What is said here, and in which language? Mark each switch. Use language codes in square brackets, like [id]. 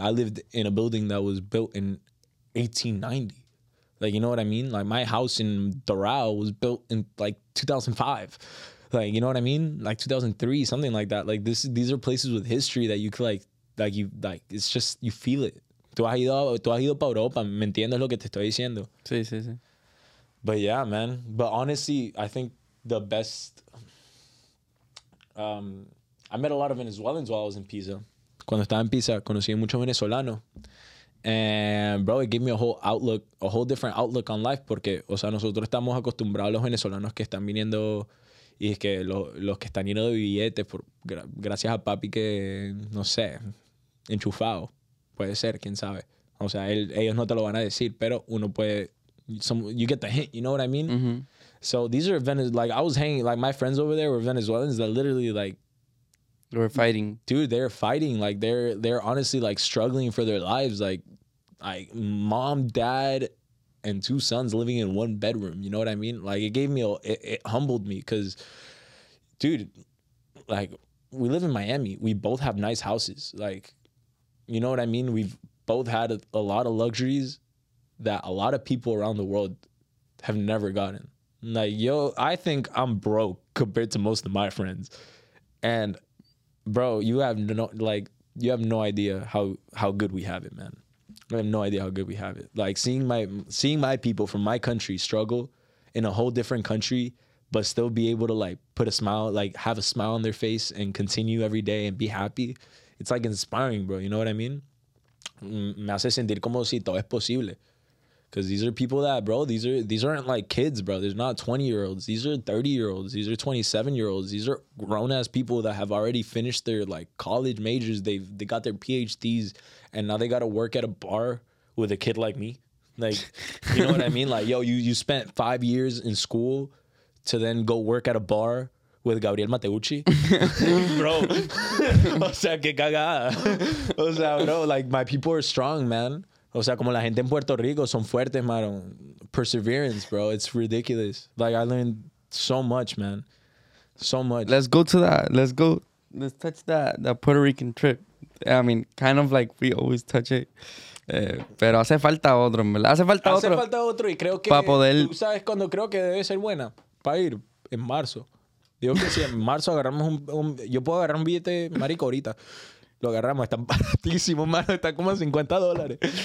[en] I lived in a building that was built in 1890. Like, you know what I mean? Like, my house in Doral was built in like 2005. Like, you know what I mean? Like 2003, something like that. Like, these are places with history that you could like, it's just, you feel it. [es] Tú has ido para Europa, ¿me entiendes lo que te estoy diciendo? Sí. [en] But yeah, man. But honestly, I think the best... I met a lot of Venezuelans while I was in Pisa. [es] Cuando estaba en Pisa, conocí mucho venezolano. [en] And bro, it gave me a whole different outlook on life. [es] Porque, o sea, nosotros estamos acostumbrados a los venezolanos que están viniendo y es que los que están llenos de billetes gracias a papi que, no sé, enchufado. Puede ser, quién sabe. O sea, ellos no te lo van a decir, pero uno puede... [en] you get the hint, you know what I mean? Mm-hmm. So these are like, I was hanging, like, my friends over there were Venezuelans that literally, like... They were fighting. Dude, they're fighting. Like, they're honestly, like, struggling for their lives. Like mom, dad, and 2 sons living in 1 bedroom. You know what I mean? Like, it gave me, it humbled me. Because, dude, like, we live in Miami. We both have nice houses. Like, you know what I mean? We've both had a lot of luxuries that a lot of people around the world have never gotten. Like, yo, I think I'm broke compared to most of my friends. And, bro, you have no, like, you have no idea how good we have it, man. I have no idea how good we have it. Like, seeing my people from my country struggle in a whole different country, but still be able to, like, put a smile, like, have a smile on their face and continue every day and be happy. It's, like, inspiring, bro. You know what I mean? [es] Me hace sentir como si todo es posible. [en] Because these are people that, bro, these aren't like kids, bro. They're not 20-year-olds. These are 30-year-olds. These are 27-year-olds. These are grown-ass people that have already finished their, like, college majors. They got their PhDs, and now they got to work at a bar with a kid like me. Like, you know what I mean? Like, yo, you spent 5 years in school to then go work at a bar with Gabriel Mateucci. Bro. [es] O sea, qué cagada. O sea, [en] bro, like, my people are strong, man. [es] O sea, como la gente en Puerto Rico son fuertes, mano. [en] Perseverance, bro. It's ridiculous. Like, I learned so much, man. So much. Let's go to that. Let's touch that Puerto Rican trip. I mean, kind of like we always touch it. [es] Pero hace falta otro, ¿verdad? Hace falta otro. Hace falta otro y creo que... Para poder... Tú sabes cuando creo que debe ser buena. Para ir en marzo. Digo que si en marzo agarramos un... Yo puedo agarrar un billete, marico, ahorita. Lo agarramos, está baratísimo, mano. Está como a $50.